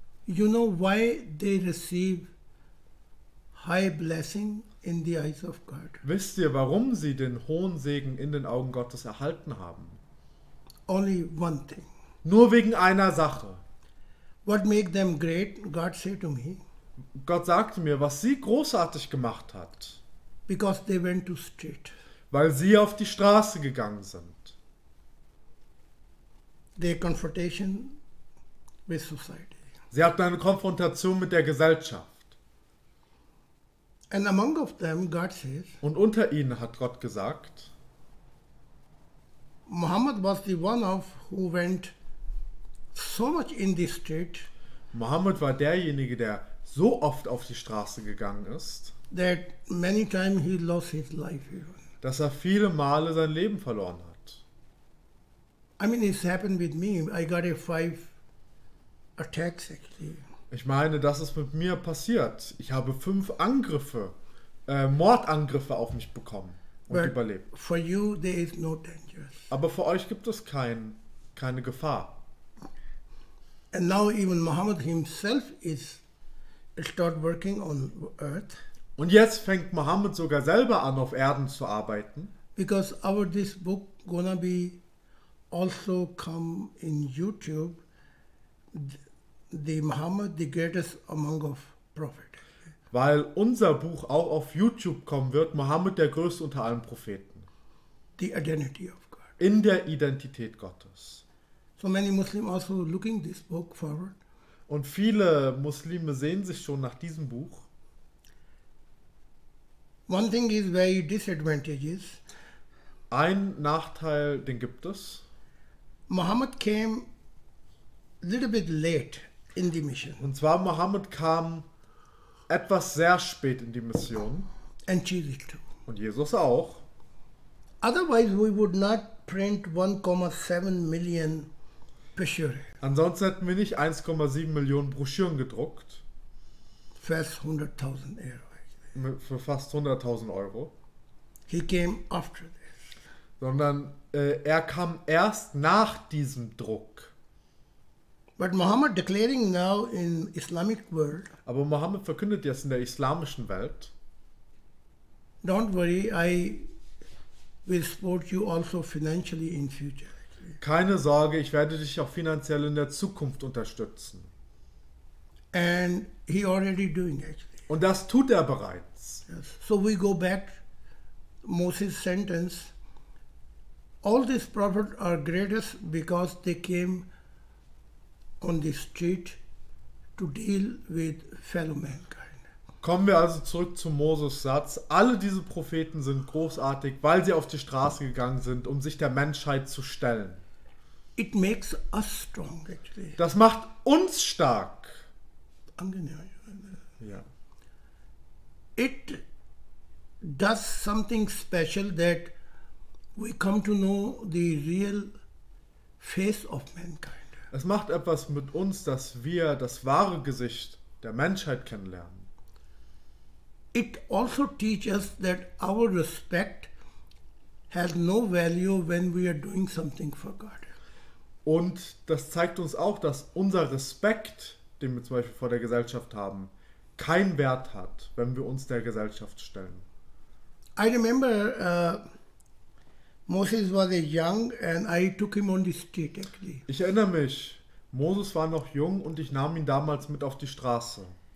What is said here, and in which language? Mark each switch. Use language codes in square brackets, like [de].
[en] You know why they receive high blessing in the eyes of God. [de] Wisst ihr, warum sie den hohen Segen in den Augen Gottes erhalten haben? [en] Only one thing. [de] Nur wegen einer Sache. [en] What make them great, God said to me. [de] Gott sagte mir, was sie großartig gemacht hat. [en] Because they went to street. [de] Weil sie auf die Straße gegangen sind. [en] Their confrontation with society. [de] Sie hatten eine Konfrontation mit der Gesellschaft. [en] And among of them, God says, [de] und unter ihnen hat Gott gesagt, [en] Muhammad was the one of who went so much in the street. [de] Muhammad war derjenige, der so oft auf die Straße gegangen ist, [en] that many times he lost his life even. [de] Dass er viele Male sein Leben verloren hat. [en] I mean, it's happened with me. I got a 5 attacks actually. [de] Ich meine, das ist mit mir passiert. Ich habe 5 Angriffe, Mordangriffe auf mich bekommen und [en] But [de] überlebt. [en] For you, there is no dangers. [de] Aber für euch gibt es keine Gefahr. [en] And now even Muhammad himself is start working on earth. [de] Und jetzt fängt Muhammad sogar selber an, auf Erden zu arbeiten. [en] Because our this book gonna be also come in YouTube. The Muhammad, the greatest among of prophets. [de] Weil unser Buch auch auf YouTube kommen wird, Muhammad, der größte unter allen Propheten. [en] The identity of God. [de] In der Identität Gottes. [en] So many Muslims also looking this book forward. [de] Und viele Muslime sehen sich schon nach diesem Buch. [en] One thing is very disadvantageous. [de] Ein Nachteil, den gibt es. [en] Muhammad came a little bit late. In the mission. [de] Und zwar Mohammed kam etwas sehr spät in die Mission. [en] And Jesus too. [de] Und Jesus auch. [en] Otherwise we would not print 1,7 million brochures. [de] Ansonsten hätten wir nicht 1,7 Millionen Broschüren gedruckt. Fast 100.000 Euro. Für fast 100.000 Euro. [en] He came after this. [de] Sondern er kam erst nach diesem Druck. [en] But Muhammad declaring now in Islamic world. [de] Aber Muhammad verkündet jetzt in der islamischen Welt. [en] Don't worry, I will support you also financially in future. [de] Keine Sorge, ich werde dich auch finanziell in der Zukunft unterstützen. [en] And he already doing actually. [de] Und das tut er bereits. [en] Yes. So we go back Moses sentence. All these prophets are greatest because they came on the street to deal with fellow mankind. [de] Kommen wir also zurück zu Moses Satz. Alle diese Propheten sind großartig, weil sie auf die Straße gegangen sind, um sich der Menschheit zu stellen. [en] It makes us strong, actually. [de] Das macht uns stark. Angenehm. Ja. [en] It does something special that we come to know the real face of mankind. [de] Es macht etwas mit uns, dass wir das wahre Gesicht der Menschheit kennenlernen. [en] It also teaches us that our respect has no value when we are doing something for God. [de] Und das zeigt uns auch, dass unser Respekt, den wir zum Beispiel vor der Gesellschaft haben, keinen Wert hat, wenn wir uns der Gesellschaft stellen. [en] I remember Moses was a young and I took him on the street actually. [de] Ich erinnere mich, Moses war noch jung und ich nahm ihn damals mit auf die Straße.